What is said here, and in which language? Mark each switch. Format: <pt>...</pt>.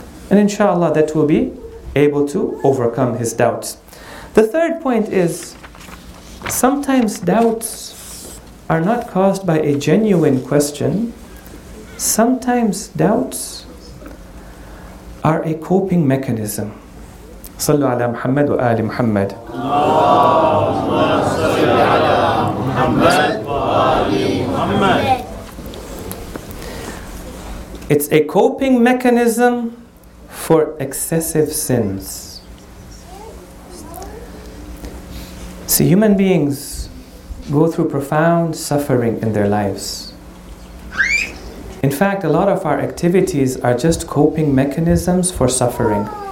<en>And inshallah, that will be able to overcome his doubts. The third point is, sometimes doubts are not caused by a genuine question. Sometimes doubts are a coping mechanism.</en> <ar>صلوا على محمد وآل محمد. اللهم صل على محمد وآل محمد.</ar> <en>It's a coping mechanism for excessive sins. See, human beings go through profound suffering in their lives. In fact, a lot of our activities are just coping mechanisms for suffering.</en>